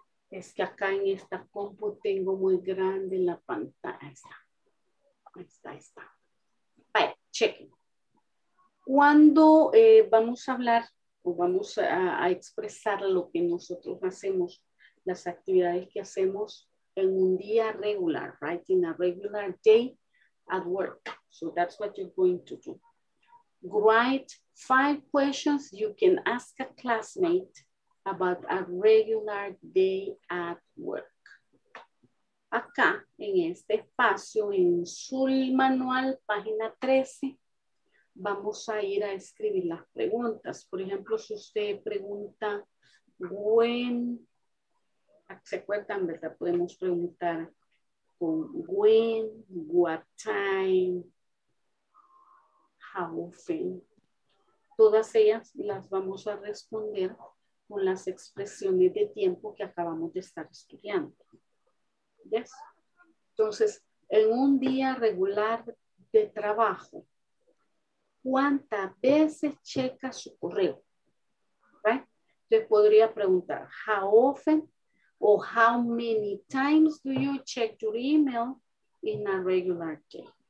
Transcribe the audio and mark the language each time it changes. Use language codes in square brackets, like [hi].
[es] Es que acá en esta compu tengo muy grande la pantalla. Ahí está. Ahí está, ahí está. Vale, chequen. Cuando vamos a hablar o vamos a expresar lo que nosotros hacemos, las actividades que hacemos en un día regular, right? [en] In a regular day at work. So that's what you're going to do. Write 5 questions you can ask a classmate about a regular day at work. [es] Acá, en este espacio, en su manual, página 13, vamos a ir a escribir las preguntas. Por ejemplo, si usted pregunta, when, ¿se acuerdan, verdad? Podemos preguntar con when, what time, how often. Todas ellas las vamos a responder con las expresiones de tiempo que acabamos de estar estudiando. ¿Yes? Entonces, en un día regular de trabajo, ¿cuántas veces checa su correo? ¿Right? Usted podría preguntar, [en] how often o how many times do you check your email in a regular day?